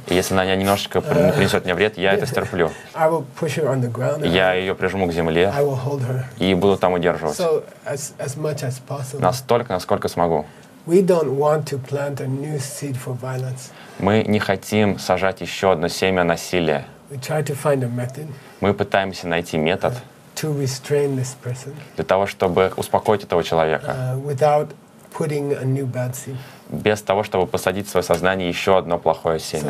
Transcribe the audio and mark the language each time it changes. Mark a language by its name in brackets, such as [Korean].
[Russian] И если она немножечко принесет мне вред, я это стерплю. [English] I will push her on the ground, [Russian] я ее прижму к земле, [English] I will hold her, [Russian] и буду там удерживать. [English] So, as much as possible, [Russian] настолько, насколько смогу. [English] We don't want to plant a new seed for violence. [Russian] Мы не хотим сажать еще одно семя насилия. [English] We try to find a method, [Russian] мы пытаемся найти метод [English] to restrain this person, [Russian] для того, чтобы успокоить этого человека. [English] Without putting a new bad seed. [Russian] Без того, чтобы посадить в свое сознание еще одно плохое семя.